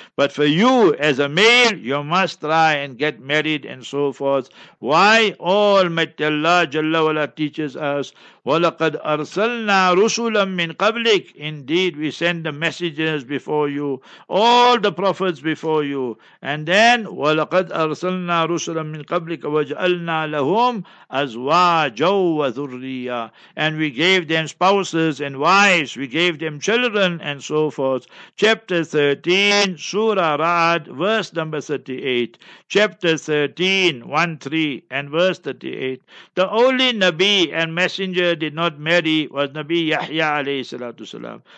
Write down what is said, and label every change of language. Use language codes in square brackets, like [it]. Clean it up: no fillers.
[en] But for you as a male, you must try and get married and so forth. Why? Almighty Allah Jalla Wala teaches us, [ar] وَلَقَدْ أَرْسَلْنَا رُسُولًا مِّن قَبْلِكَ. [en] Indeed, we send the messengers before you, all the prophets before you. And then, [ar] وَلَقَدْ أَرْسَلْنَا رُسُولًا مِّن قَبْلِكَ وَجَعَلْنَا لَهُمْ أَزْوَاجًا وَذُرِّيَّةً. [en] And we gave them spouses and wives, we gave them children and so forth. Chapter 13, Surah Ra'ad, verse number 38. Chapter 13, 1-3 and verse 38. The only Nabi and messenger did not marry was Nabi Yahya alayhi salatu salam.